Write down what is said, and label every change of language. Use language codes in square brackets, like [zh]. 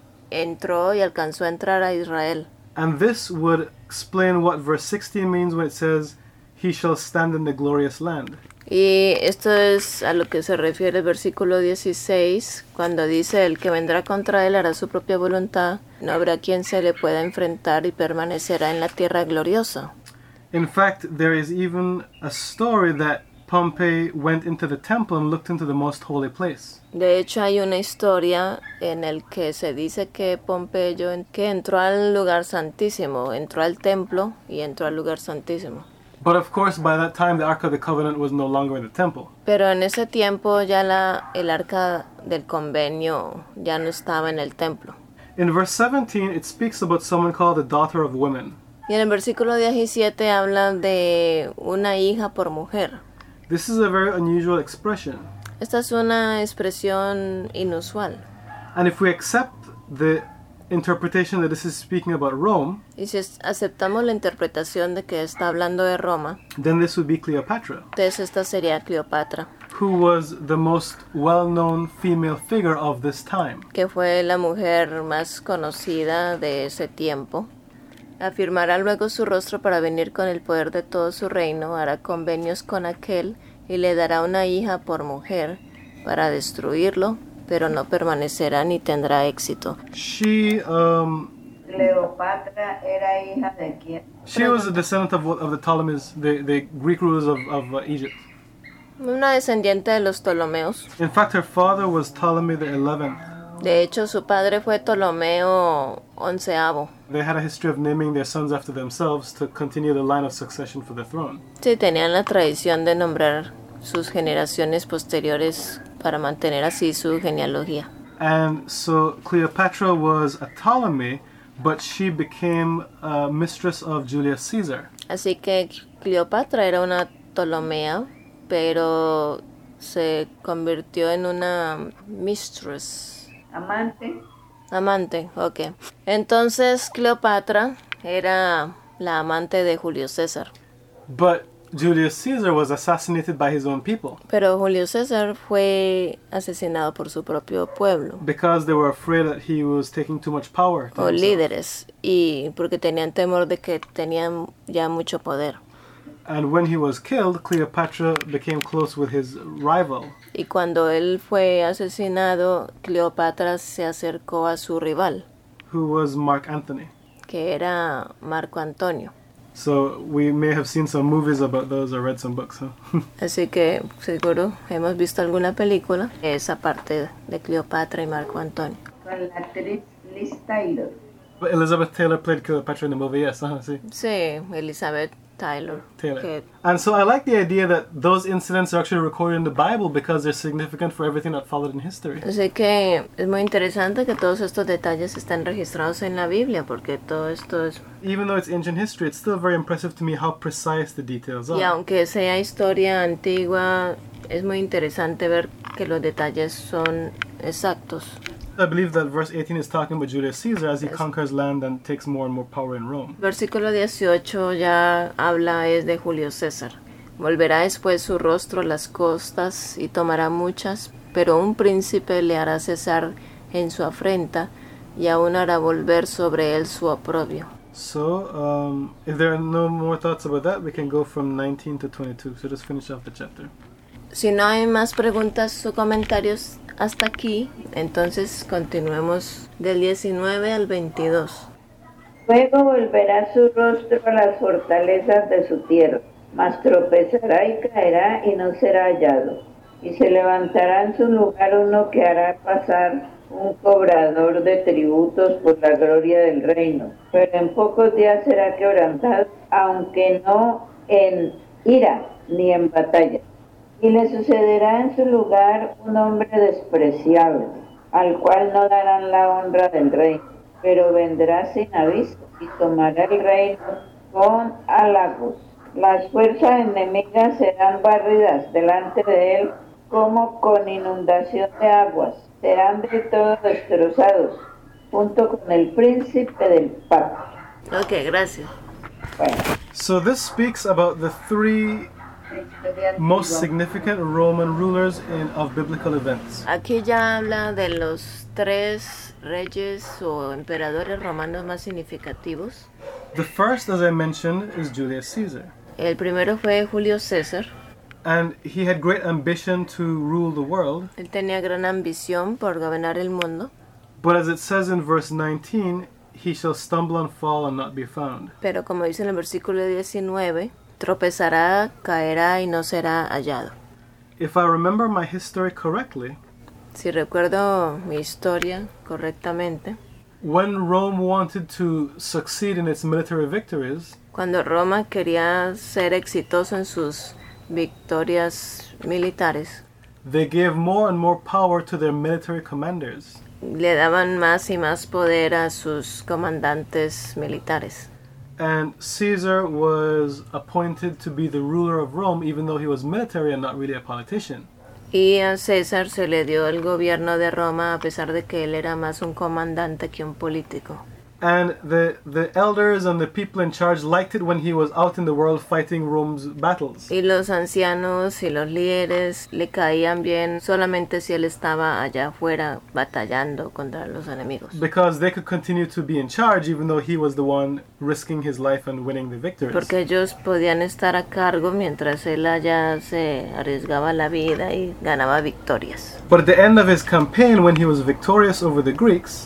[es] Entró y alcanzó a entrar a Israel. [en] And this would explain what verse 16 means when it says, "He shall stand in the glorious land." [es] Y esto es a lo que se refiere el versículo 16, cuando dice, "El que vendrá contra él hará su propia voluntad, no habrá quien se le pueda enfrentar y permanecerá en la tierra gloriosa." [en] In fact, there is even a story that Pompey went into the temple and looked into the most holy place. [es] De hecho, hay una historia en el que se dice que Pompeyo que entró al lugar santísimo, entró al templo y entró al lugar santísimo. [en] But of course, by that time, the Ark of the Covenant was no longer in the temple. [es] Pero en ese tiempo ya el Arca del Convenio ya no estaba en el templo. [en] In verse 17, it speaks about someone called the daughter of women. [es] Y en el versículo 17 habla de una hija por mujer. [en] This is a very unusual expression. [es] Esta es una expresión inusual. [en] And if we accept the interpretation that this is speaking about Rome, [es] y si aceptamos la interpretación de que está hablando de Roma, [en] then this would be Cleopatra. [es] Entonces esta sería Cleopatra. [en] Who was the most well-known female figure of this time? [es] Que fue la mujer más conocida de ese tiempo. Afirmará luego su rostro para venir con el poder de todo su reino, hará convenios con aquel y le dará una hija por mujer para destruirlo, pero no permanecerá ni tendrá éxito. [en] She, [es] Cleopatra era hija de quién? [en] She was a descendant of the Ptolemies, the Greek rulers of Egypt. [es] Una descendiente de los Ptolomeos. [en] In fact, her father was Ptolemy the 11th. [es] De hecho, su padre fue Ptolomeo XI. [en] They had a history of naming their sons after themselves to continue the line of succession for the throne. [es] Sí, tenían la tradición de nombrar sus generaciones posteriores para mantener así su genealogía. [en] And so Cleopatra was a Ptolemy, but she became a mistress of Julius Caesar. [es] Así que Cleopatra era una Ptolomea, pero se convirtió en una mistress. Amante, okay. Entonces Cleopatra era la amante de Julio César. [en] But Julius Caesar was assassinated by his own people. [es] Pero Julio César fue asesinado por su propio pueblo. [en] Because they were afraid that he was taking too much power. [es] O líderes, y porque tenían temor de que tenían ya mucho poder. [en] And when he was killed, Cleopatra became close with his rival. [es] Y cuando él fue asesinado, Cleopatra se acercó a su rival. [en] Who was Mark Antony? [es] Que era Marco Antonio. [en] So we may have seen some movies about those or read some books, huh? [es] Así que seguro hemos visto alguna película esa parte de Cleopatra y Marco Antonio. Con la actriz Liz Taylor. [en] But Elizabeth Taylor played Cleopatra in the movie, yes, huh? [es] Sí. Sí, Elizabeth Tyler. [en] And so I like the idea that those incidents are actually recorded in the Bible because they're significant for everything that followed in history. [es] Así que es muy interesante que todos estos detalles estén registrados en la Biblia porque todo esto es... [en] Even though it's ancient history, it's still very impressive to me how precise the details are. [es] Y aunque sea historia antigua, es muy interesante ver que los detalles son exactos. [en] I believe that verse 18 is talking about Julius Caesar as he conquers land and takes more and more power in Rome. [es] Versículo 18 ya habla es de Julio César. Volverá después su rostro a las costas y tomará muchas, pero un príncipe le hará cesar en su afrenta y aún hará volver sobre él su oprobio. [en] So, if there are no more thoughts about that, we can go from 19 to 22. So just finish off the chapter. [es] Si no hay más preguntas o comentarios hasta aquí, entonces continuemos del 19 al 22. Luego volverá su rostro a las fortalezas de su tierra, mas tropezará y caerá y no será hallado. Y se levantará en su lugar uno que hará pasar un cobrador de tributos por la gloria del reino. Pero en pocos días será quebrantado, aunque no en ira ni en batalla. Y le sucederá en su lugar un hombre despreciable, al cual no darán la honra del rey, pero vendrá sin aviso y tomará el reino con halagos. Las fuerzas enemigas serán barridas delante de él como con inundación de aguas. Serán de todo destrozados, junto con el príncipe del pacto. Ok, gracias. Bueno. [en] So this speaks about the three most significant Roman rulers of biblical events. [es] Aquí ya habla de los tres reyes o emperadores romanos más significativos. [en] The first, as I mentioned, is Julius Caesar. [es] El primero fue Julio César. [en] And he had great ambition to rule the world. [es] Él tenía gran ambición por gobernar el mundo. [en] But as it says in verse 19, he shall stumble and fall and not be found. [es] Pero como dice en el versículo 19, tropezará, caerá y no será hallado. [en] If I remember my history correctly, [es] si recuerdo mi historia correctamente, [en] when Rome wanted to succeed in its military victories, [es] cuando Roma quería ser exitoso en sus victorias militares, [en] they gave more and more power to their military commanders. [es] Le daban más y más poder a sus comandantes militares. [en] And Caesar was appointed to be the ruler of Rome, even though he was military and not really a politician. [es] Y a César se le dio el gobierno de Roma a pesar de que él era más un comandante que un político. [en] And the elders and the people in charge liked it when he was out in the world fighting Rome's battles. [es] Y los ancianos y los líderes le caían bien solamente si él estaba allá afuera batallando contra los enemigos. [en] Because they could continue to be in charge even though he was the one risking his life and winning the victories. [es] Porque ellos podían estar a cargo mientras él allá se arriesgaba la vida y ganaba victorias. [en] But at the end of his campaign, when he was victorious over the Greeks,